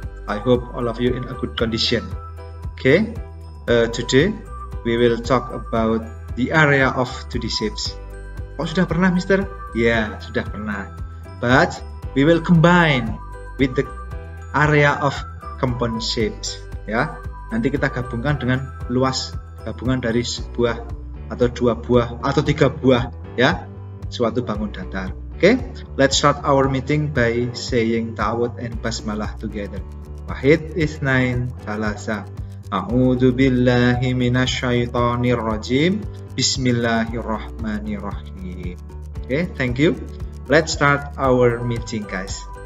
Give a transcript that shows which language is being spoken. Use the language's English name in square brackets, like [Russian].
[English] I hope all of you in a good condition. Okay, today we will talk about the area of 2D shapes. Oh, [Indonesian] sudah pernah, Mister? [English] Yeah, [Indonesian] sudah pernah. [English] But we will combine with the area of compound shapes. [Indonesian] Ya, nanti kita gabungkan dengan luas gabungan dari sebuah atau dua buah atau tiga buah ya suatu bangun datar. [English] Oke, okay? Let's start our meeting by saying ta'awudz and basmalah together. [Arabic] Wahid isnain thalasa. A'udzu billahi minasyaitonir rajim. [English] Bismillahirrahmanirrahim. Oke, okay, thank you. Let's start our meeting, guys.